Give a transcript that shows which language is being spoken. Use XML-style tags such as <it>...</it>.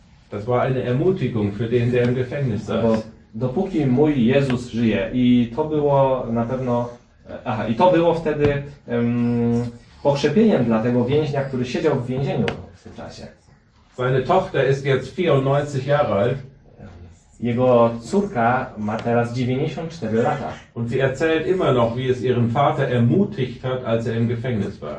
<de>Das war eine Ermutigung für den, der im Gefängnis saß.</de> <pl>Dopóki mój Jezus żyje. I to było na pewno... i to było wtedy pokrzepieniem dla tego więźnia, który siedział w więzieniu w tym czasie.</pl> <de>Seine Tochter ist jetzt 94 Jahre alt.</de> <pl>Jego córka ma teraz 94 lata.</pl> <de>Und sie erzählt immer noch, wie es ihren Vater ermutigt hat, als er im Gefängnis war.</de>